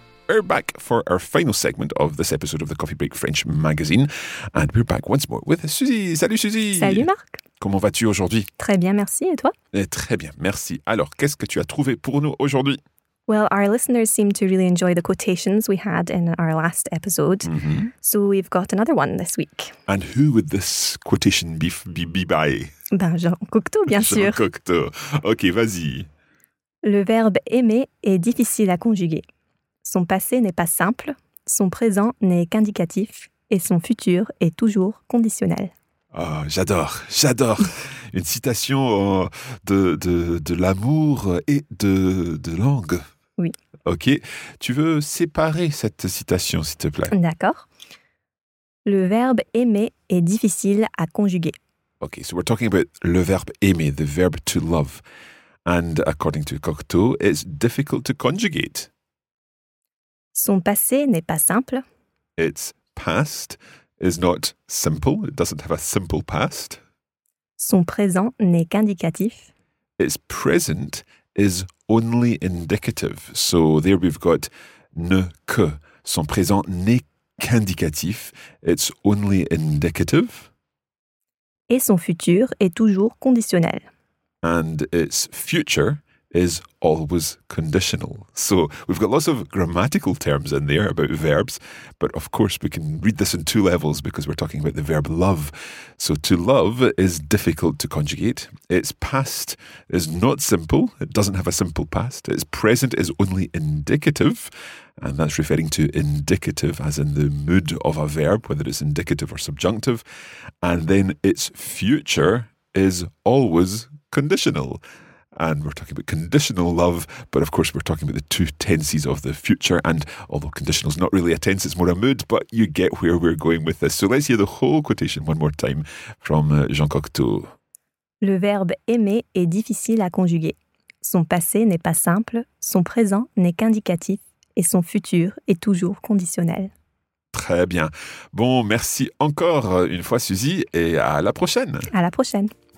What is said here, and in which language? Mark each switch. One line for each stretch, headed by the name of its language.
English: We're back for our final segment of this episode of the Coffee Break French magazine. And we're back once more with Suzy.
French: Salut Suzy. Salut Marc. Comment vas-tu aujourd'hui? Très bien, merci. Et toi? Et très bien, merci. Alors, qu'est-ce que tu as trouvé pour nous aujourd'hui?
English: Well, our listeners seem to really enjoy the quotations we had in our last episode. Mm-hmm. So we've got another one this week. And who would this quotation be by?
French: Ben Jean Cocteau, bien sûr. Jean Cocteau. Ok, vas-y. Le verbe aimer est difficile à conjuguer. Son passé n'est pas simple, son présent n'est qu'indicatif et son futur est toujours conditionnel. Oh, j'adore une citation de l'amour et de langue. Oui. Ok, tu veux séparer cette citation, s'il te plaît. D'accord. Le verbe aimer est difficile à conjuguer.
English: Okay, so we're talking about
French: le verbe aimer,
English: the verb to love. And according to Cocteau, it's difficult to conjugate.
French: Son passé n'est pas simple.
English: Its past is not simple. It doesn't have a simple past.
French: Son présent n'est qu'indicatif.
English: Its present is only indicative. So there we've got ne que.
French: Son présent n'est qu'indicatif.
English: It's only indicative.
French: Et son futur est toujours conditionnel.
English: And its future is always conditional. So we've got lots of grammatical terms in there about verbs, but of course we can read this in two levels because we're talking about the verb love. So to love is difficult to conjugate. Its past is not simple. It doesn't have a simple past. Its present is only indicative. And that's referring to indicative as in the mood of a verb, whether it's indicative or subjunctive. And then its future is always conditional. And we're talking about conditional love, but of course we're talking about the two tenses of the future. And although conditional is not really a tense, it's more a mood, but you get where we're going with this. So let's hear the whole quotation one more time from Jean Cocteau.
French: Le verbe aimer est difficile à conjuguer. Son passé n'est pas simple, son présent n'est qu'indicatif et son futur est toujours conditionnel. Très bien. Bon, merci encore une fois Suzy et à la prochaine. À la prochaine.